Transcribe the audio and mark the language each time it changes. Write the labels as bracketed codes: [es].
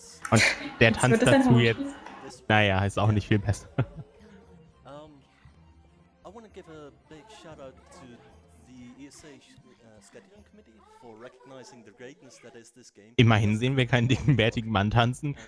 [de] Und der Tanz dazu jetzt, naja, ist auch nicht viel besser. [en] I want to give a big shout out to the ESA Scheduling Committee for recognizing the greatness that is this game. [de] Immerhin sehen wir keinen dicken, bärtigen Mann tanzen.